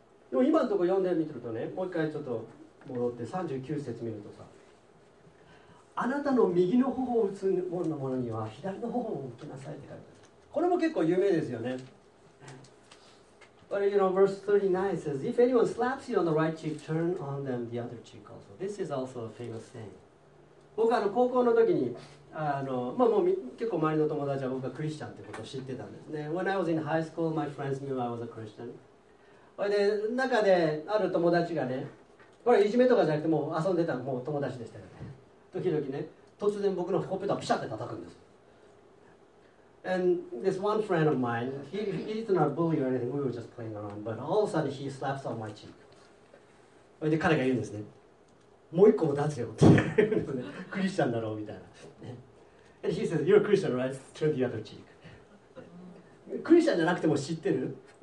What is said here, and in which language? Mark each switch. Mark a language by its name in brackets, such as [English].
[Japanese] でも今のところ読んでみてるとね、もう一回ちょっと戻って39節見るとさ、あなたの右の頬を打つ者の者には左の頬を受けなさいって書いてある。これも結構有名ですよね。 [English] But you know, verse 39 says, If anyone slaps you on the right cheek, turn on them the other cheek also. This is also a famous saying. [Japanese] 僕は高校の時に、まあ、もう結構周りの友達は僕がクリスチャンってことを知ってたんですね。 [English] When I was in high school, my friends knew I was a Christian. [Japanese] で中である友達がね、これいじめとかじゃなくてもう遊んでたのもう友達でしたよね。時々ね、突然僕のほっぺたをピシャって叩くんです。 [English] And this one friend of mine, he is not a bully or anything, we were just playing around, but all of a sudden he slaps on my cheek. [Japanese] それで彼が言うんですね、もう一個も出せよって言うんですね、クリスチャンだろうみたいな。 [English] And he says, you're a Christian, right? Turn the other cheek. [Japanese] クリスチャンじゃなくても知ってる。